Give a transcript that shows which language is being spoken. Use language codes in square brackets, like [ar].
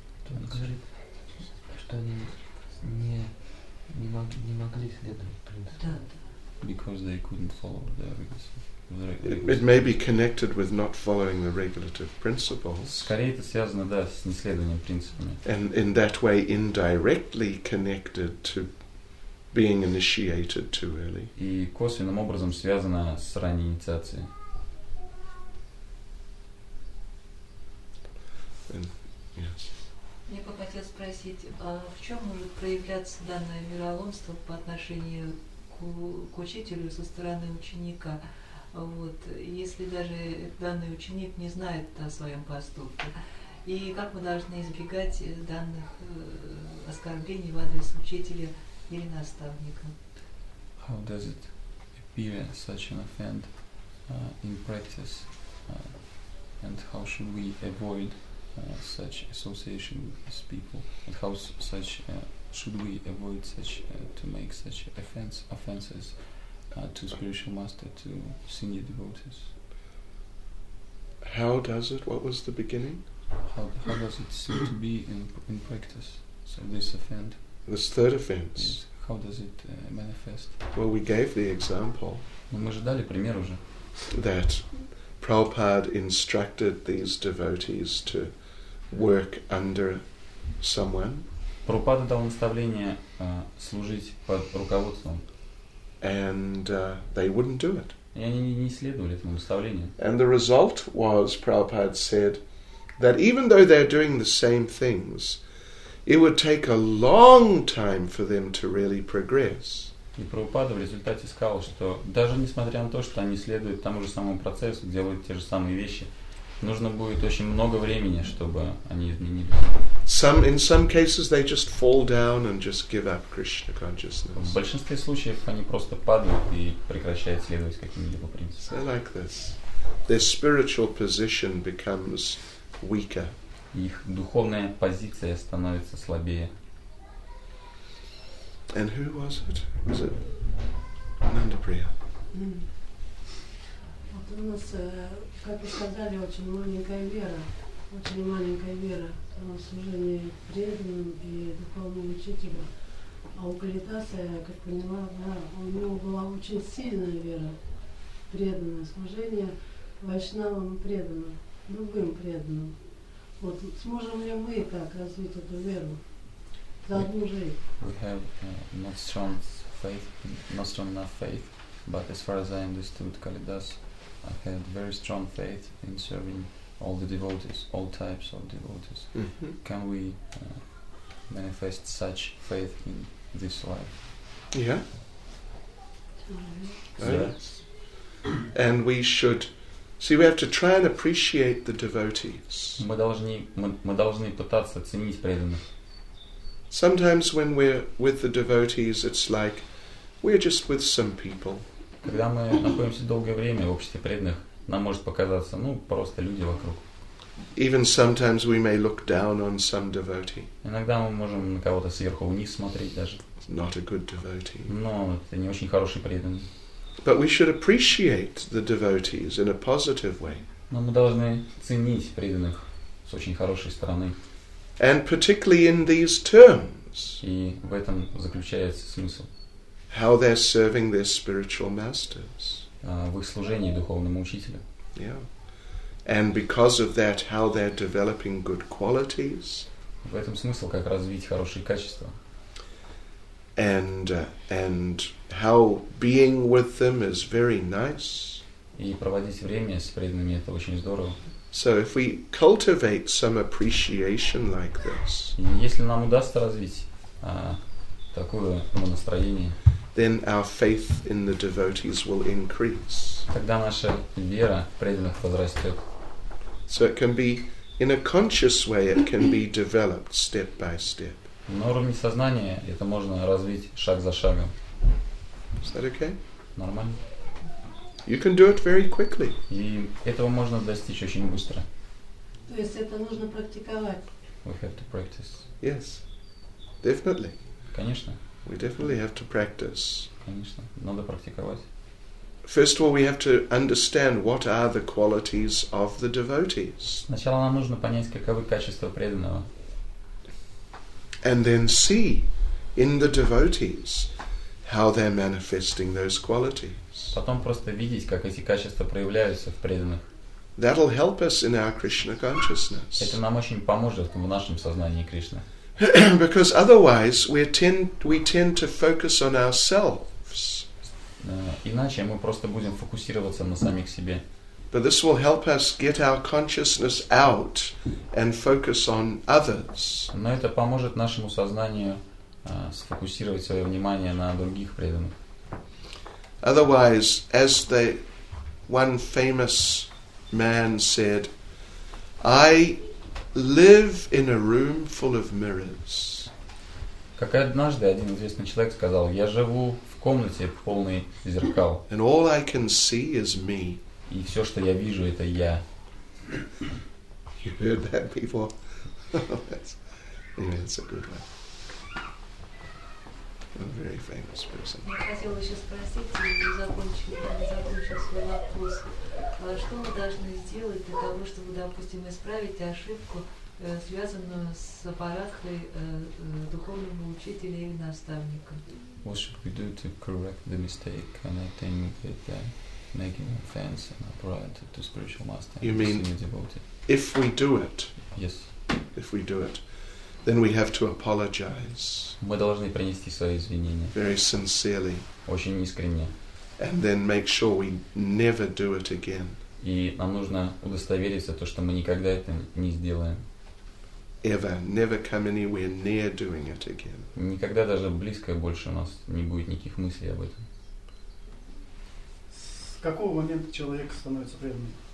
[ru] Он говорит, что они не могли следовать принципу. Да, да. [en] Because they couldn't follow the regulative. It may be connected with not following the regulative principles. [ru] Скорее это связано, да, с неследованием принципами. [en] And in that way, indirectly connected to being initiated too early. [ru] И косвенным образом связано с ранней инициацией. [en] And, yes. [ru] Мне бы хотелось спросить, а в чем может проявляться данное вероломство по отношению к учителю со стороны ученика? Вот, если даже данный ученик не знает о своем поступке. И как мы должны избегать данных оскорблений в адрес учителя или наставника? [en] How does it appear such an offense in practice? And how should we avoid such association with these people, and how such should we avoid such to make such offenses to spiritual master, to senior devotees? How does it? What was the beginning? How does it seem to be in practice? So this offense. This third offense. How does it manifest? Well, we gave the example. [ru] Ну, мы же дали пример уже. [en] That Prabhupada instructed these devotees to work under someone. [ru] Прабхупада дал наставление служить под руководством. [en] And they wouldn't do it. [ru] И они не следовали этому наставлению. [en] And the result was, Prabhupada said, that even though they're doing the same things, it would take a long time for them to really progress. [ru] И Прабхупада в результате сказал, что даже несмотря на то, что они следуют тому же самому процессу, делают те же самые вещи, нужно будет очень много времени, чтобы они изменились. [en] In some cases they just fall down and just give up Krishna consciousness. [ru] В большинстве случаев они просто падают и прекращают следовать каким-либо принципам. [en] So like this, their spiritual position becomes weaker. [ru] Их духовная позиция становится слабее. [en] And who was it? Was it Ananda Priya? [ru] Вот у нас, как вы сказали, очень маленькая вера в служение преданным и духовному учителю. А у Калитаса, я как поняла, да, у него была очень сильная вера, преданное служение вайшнавам преданным, любым преданным. Вот сможем ли мы так развить эту веру? [en] We have not strong faith, not strong enough faith, but as far as I understood, Kalidas had very strong faith in serving all the devotees, all types of devotees. Mm-hmm. Can we manifest such faith in this life? Yeah. Mm-hmm. Yes. And we should see. We have to try and appreciate the devotees. [ru] Мы должны пытаться ценить преданных. [en] Sometimes when we're with the devotees, it's like we're just with some people. [ru] Когда мы находимся долгое время в обществе преданных, нам может показаться, ну, просто люди вокруг. [en] Even sometimes we may look down on some devotee. [ru] Иногда мы можем на кого-то сверху вниз смотреть даже. [en] Not a good devotee. [ru] Но это не очень хороший преданный. [en] But we should appreciate the devotees in a positive way. [ru] Но мы должны ценить преданных с очень хорошей стороны. [en] And particularly in these terms. [ru] И в этом заключается смысл. [en] How they're serving their spiritual masters. [ru] В их служении духовному учителю. [en] Yeah. And because of that, how they're developing good qualities. [ru] В этом смысл, как развить хорошие качества. [en] And how being with them is very nice. [ru] И проводить время с преданными это очень здорово. [en] So if we cultivate some appreciation like this, [ru] если нам удастся развить такое настроение, [en] then our faith in the devotees will increase. [ru] Тогда наша вера в преданных возрастет. [en] So it can be in a conscious way, it can be developed step by step. [ru] На уровне сознания это можно развить шаг за шагом. [en] Is that okay? [ru] Нормально. [en] You can do it very quickly. [ru] И этого можно достичь очень быстро. То есть это нужно практиковать. [en] We have to practice. Yes. Definitely. [ru] Конечно. [en] We definitely have to practice. [ru] Конечно. Надо практиковать. [en] First of all, we have to understand what are the qualities of the devotees. [ru] Сначала нам нужно понять, каковы качества преданного. [en] And then see in the devotees how they're manifesting those qualities. [ru] Потом просто видеть, как эти качества проявляются в преданных. [en] That'll help us in our Krishna consciousness. [ru] Это нам очень поможет в нашем сознании Кришны. [en] Because otherwise we tend to focus on ourselves. [ru] Иначе мы просто будем фокусироваться на самих себе. [en] But this will help us get our consciousness out and focus on others. [ru] Но это поможет нашему сознанию сфокусировать свое внимание на других преданных. [en] Otherwise, as the one famous man said, I live in a room full of mirrors. [ru] Как однажды один известный человек сказал, я живу в комнате полной зеркал. [en] And all I can see is me. [ru] И все, что я вижу, это я. [en] You heard that before? That's a good one. A very famous person. [ru] Я хотела еще спросить, не закончил свой вопрос, что мы должны сделать для того, чтобы, допустим, исправить ошибку, связанную с аппаратхой духовного учителя или наставника. [en] What should we do to correct the mistake and attain with making offense and upright to spiritual master? You mean if we do it? Yes. If we do it, then we have to apologize. [ru] Мы должны принести свои извинения. [en] Very sincerely. [ru] Очень искренне. [en] And then make sure we never do it again. [ru] И нам нужно удостовериться, то, что мы никогда это не сделаем. [en] Ever, never come anywhere near doing it again. [ru] Никогда даже близко больше у нас не будет никаких мыслей об этом. С какого момента человек становится преданным?